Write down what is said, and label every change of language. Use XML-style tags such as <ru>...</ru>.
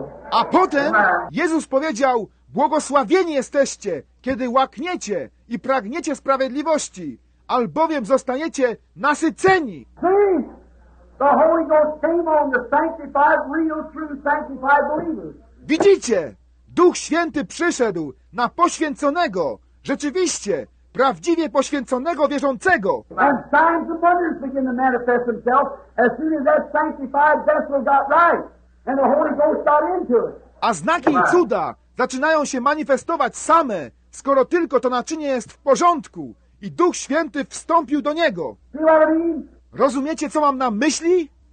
<pl>A potem Jezus powiedział, błogosławieni jesteście, kiedy łakniecie i pragniecie sprawiedliwości, albowiem zostaniecie nasyceni.</pl> <en>The Holy Ghost came on the sanctified, real, true, sanctified believers.</en> <pl>Widzicie, Duch Święty przyszedł na poświęconego, rzeczywiście, prawdziwie poświęconego wierzącego.</pl> <en>And signs and wonders begin to manifest themselves as soon as that sanctified vessel got right and the Holy Ghost got into it.</en> <pl>A znaki i cuda zaczynają się manifestować same, skoro tylko to naczynie jest w porządku i Duch Święty wstąpił do niego.</pl> <en>See what I mean?</en> <pl>Rozumiecie, co mam na myśli?</pl>